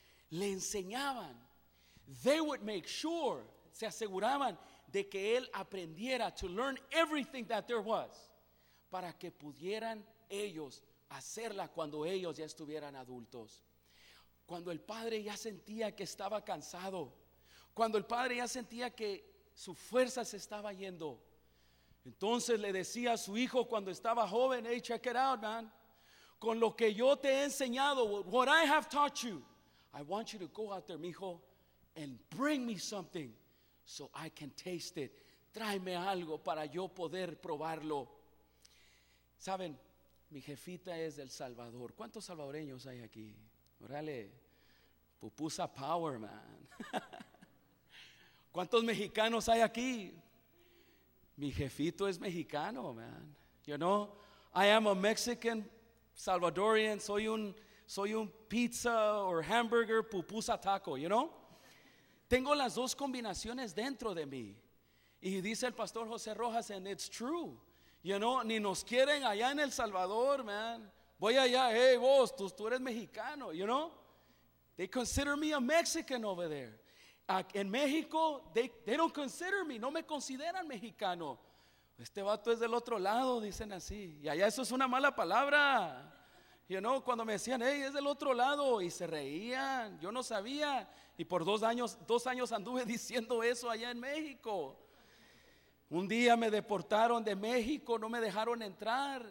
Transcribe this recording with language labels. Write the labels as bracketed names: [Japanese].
[Spanish] Le enseñaban. [English] They would make sure, [Spanish] se aseguraban de que él aprendiera [English] to learn everything that there was [Spanish] para que pudieran ellos hacerla cuando ellos ya estuvieran adultos. Cuando el padre ya sentía que estaba cansado, cuando el padre ya sentía que su fuerza se estaba yendo, entonces le decía a su hijo cuando estaba joven, [English] hey, check it out, man. [Spanish] Con lo que yo te he enseñado, [English] what I have taught you, I want you to go out there, mijo, and bring me something so I can taste it. [Spanish] Tráeme algo para yo poder probarlo. Saben, mi jefita es del Salvador. ¿Cuántos salvadoreños hay aquí? Órale, pupusa power, man. ¿Cuántos mexicanos hay aquí? Mi jefito es mexicano, man. [English] You know, I am a Mexican Salvadorian. [Spanish] Soy un pizza or hamburger pupusa taco, you know. Tengo las dos combinaciones dentro de mí. Y dice el pastor José Rojas, [English] and it's true. [Spanish] You know, ni nos quieren allá en El Salvador, man. Voy allá, hey, vos, tú eres mexicano, [English] you know. They consider me a Mexican over there. [Spanish] En México, [English] they don't consider me, [Spanish] no me consideran mexicano. Este vato es del otro lado, dicen así. Y allá eso es una mala palabra. You know, cuando me decían, hey, es del otro lado, y se reían, yo no sabía. Y por dos años anduve diciendo eso allá en México. Un día me deportaron de México, no me dejaron entrar.